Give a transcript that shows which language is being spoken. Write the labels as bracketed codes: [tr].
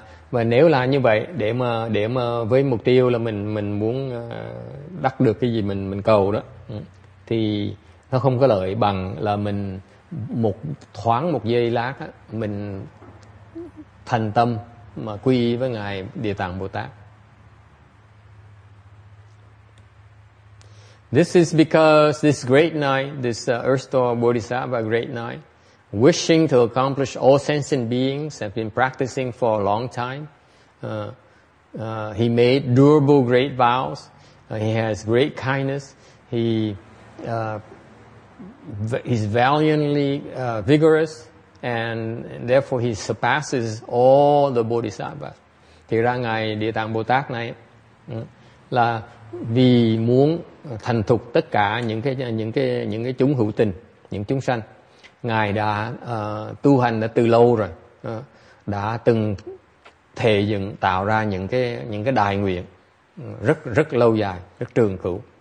[vi] Và nếu là như vậy, để mà với mục tiêu là mình muốn đắc được cái gì mình cầu đó, thì nó không có lợi bằng là mình một thoáng một giây lát á, mình thành tâm mà quy với ngài Địa Tạng Bồ Tát. [en] This is because this great night, this Earthstore Bodhisattva great night, wishing to accomplish all sentient beings, have been practicing for a long time. He made durable great vows. He has great kindness. He's valiantly vigorous, and therefore he surpasses all the bodhisattvas. [vi] Thì ra ngài Địa Tạng Bồ Tát này là vì muốn thành thục tất cả những cái chúng hữu tình, những chúng sanh, ngài đã tu hành đã từ lâu rồi, đã từng thề dựng tạo ra những cái đại nguyện rất rất lâu dài, rất trường cửu.